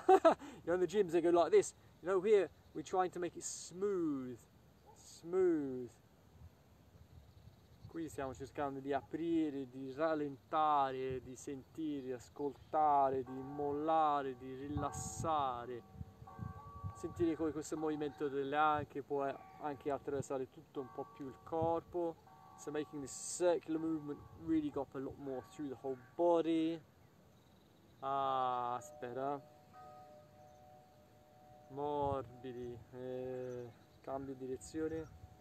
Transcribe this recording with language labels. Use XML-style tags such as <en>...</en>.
<en>You know, in the gyms they go like this. You know, here we're trying to make it smooth, smooth.</en> <it>Qui stiamo cercando di aprire, di rallentare, di sentire, ascoltare, di mollare, di rilassare. Sentire come questo movimento delle anche può anche attraversare tutto un po' più il corpo.</it> <en>So making this circular movement really go up a lot more through the whole body. Ah, that's better.</en> <it>Morbidi. Cambio direzione.</it>